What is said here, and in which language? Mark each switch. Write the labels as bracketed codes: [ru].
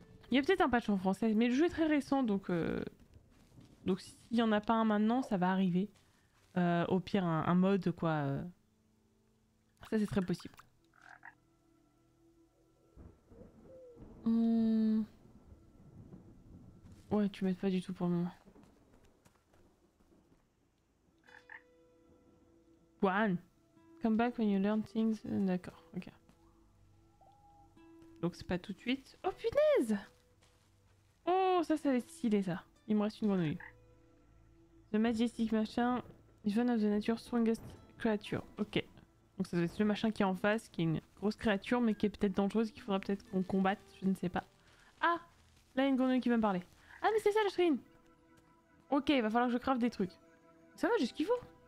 [fr] Il y a peut-être un patch en français, mais le jeu est très récent, donc... Donc s'il n'y en a pas un maintenant, ça va arriver. Au pire, un mode, quoi. Ça, c'est très possible. Ouais, tu m'aides pas du tout pour le moment. [en] Guan, come back when you learn things. [fr] D'accord, ok. Donc c'est pas tout de suite. Oh punaise! Oh, ça va être stylé ça. Il me reste une grenouille. [en] The Majestic Machin, one of the nature's strongest creature. [fr] Ok. Donc ça va être le machin qui est en face, qui est une grosse créature, mais qui est peut-être dangereuse, qu'il faudra peut-être qu'on combatte, je ne sais pas. Ah! Là, il y a une grenouille qui va me parler. Ah, mais c'est ça, le shrine! Ok, il va falloir que je crafte des trucs. Ça va, j'ai ce qu'il faut.